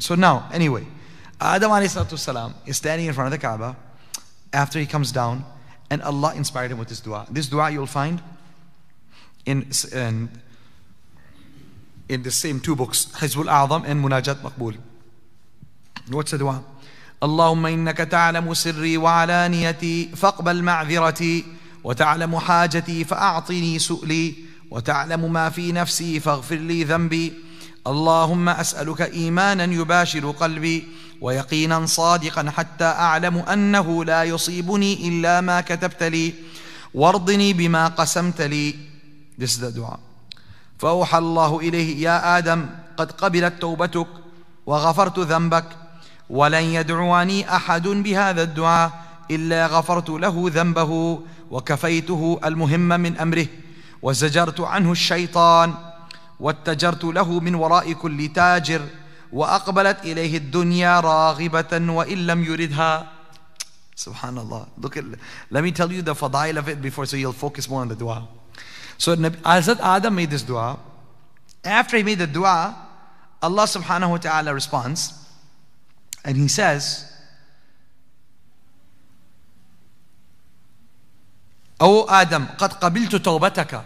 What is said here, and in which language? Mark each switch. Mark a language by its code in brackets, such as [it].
[en] So now, anyway, Adam alayhi salam is standing in front of the Kaaba after he comes down, and Allah inspired him with this dua. This dua you'll find in the same two books, Hizbul A'zam and Munajat Maqbul. What's the dua? [ar] اللهم إنك تعلم سري وعلانيتي فاقبل معذرتي وتعلم حاجتي فأعطني سؤلي وتعلم ما في نفسي فاغفر لي ذنبي اللهم أسألك إيمانا يباشر قلبي ويقينا صادقا حتى أعلم أنه لا يصيبني إلا ما كتبت لي وارضني بما قسمت لي. [en] This is the dua. [ar] فأوحى الله إليه يا آدم قد قبلت توبتك وغفرت ذنبك ولن يدعوني أحد بهذا الدعاء إلا غفرت له ذنبه وكفيته المهم من أمره وزجرت عنه الشيطان واتجرت له من وراء كل تاجر وأقبلت إليه الدنيا راغبة وإن لم يردها. سبحان الله. [en] Look at, let me tell you the fadail of it before, so you'll focus more on the dua. So Hazrat Adam made this dua. After he made the dua, Allah subhanahu wa ta'ala responds. And he says, "O Adam, [ar] قد قبلت توبتك."